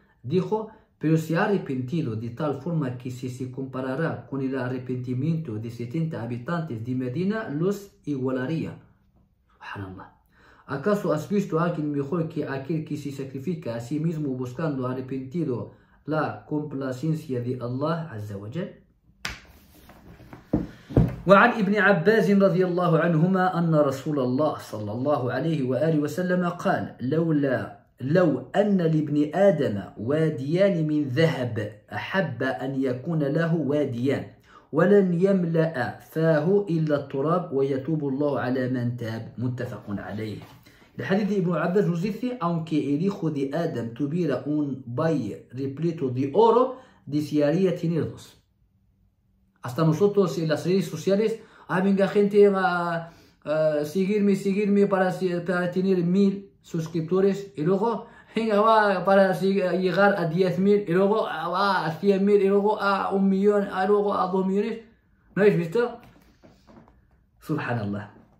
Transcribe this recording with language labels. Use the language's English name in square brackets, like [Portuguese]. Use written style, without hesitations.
[Spanish] Dijo, pero se ha arrepentido de tal forma que si se comparara con el arrepentimiento de 70 habitantes de Medina, los igualaría. ¡Subhanallah! ¿Acaso has visto a alguien mejor que aquel que se sacrifica a sí mismo buscando arrepentido la complacencia de Allah Azza wa Jal? [Arabic] وعن ابن عباس رضي الله عنهما أن رسول الله صلى الله عليه وآله وسلم قال لو أن لابن آدم واديان من ذهب أحب أن يكون له واديان ولن يملأ فاه إلا التراب ويتوب الله على من تاب. متفق عليه. الحديث ابن عباس نزيثي [Spanish] aunque el hijo de Adam tuviera un valle repleto de oro desearía tenerlos. Hasta nosotros en las redes sociales, ah, venga gente a seguirme para tener 1000 suscriptores y luego, venga, va para llegar a 10.000 y luego va a 100.000 y luego a 1 millón y luego a 2 millones. ¿No habéis visto? Subhanallah.